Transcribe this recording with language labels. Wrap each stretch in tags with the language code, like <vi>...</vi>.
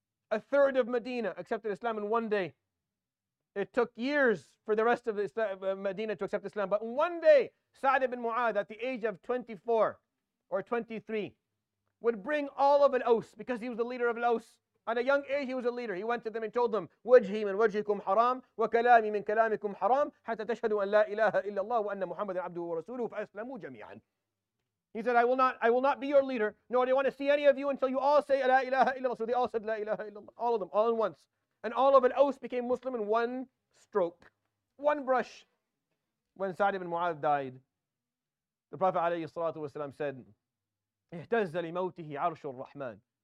<en>A third of Medina accepted Islam in one day. It took years for the rest of the Medina to accept Islam. But in one day, Sa'd ibn Mu'adh, at the age of 24 or 23, would bring all of Al-Aws, because he was the leader of Al-Aws. At a young age, he was a leader. He went to them and told them,</en> <ar>وَجْهِي مِنْ وَجْهِكُمْ حَرَامٍ وَكَلَامِي مِنْ كَلَامِكُمْ حَرَامٍ حَتَّى تَشْهَدُوا أَنْ لَا إِلَهَ إِلَّا اللَّهُ وَأَنَّ مُحَمَّدًا عَبْدُهُ وَرَسُولُهُ فَأَسْلَمُوا جَمِيعًا.</ar> <en>He said, I will not be your leader, nor do I want to see any of you until you all say,</en> <ar>لَا إِلَهَ إِلَّا اللَّهُ.</ar> <en>So they all said, لَا إِلَهَ إِلَّا اللَّهُ, all of them, all in once. And all of Al-Aws became Muslim in one stroke, one brush. When Sa'd ibn Mu'adh died, the Prophet ﷺ said,</en> <ar>اهتز لموته عرش الرحمن.</ar>